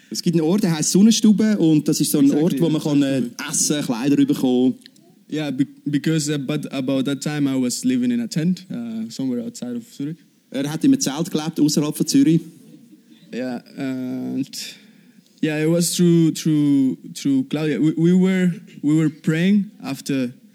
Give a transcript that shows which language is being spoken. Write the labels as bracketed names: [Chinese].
[German] Es gibt einen Ort, der heißt Sonnenstube, und das ist so ein exactly, Ort, wo man kann essen, Kleider bekommen. [English] Yeah, because about that time I was living in a tent somewhere outside of Zurich. [German] Er hat in einem Zelt gelebt außerhalb von Zürich. [English] Yeah, it was through Claudia. We were praying after.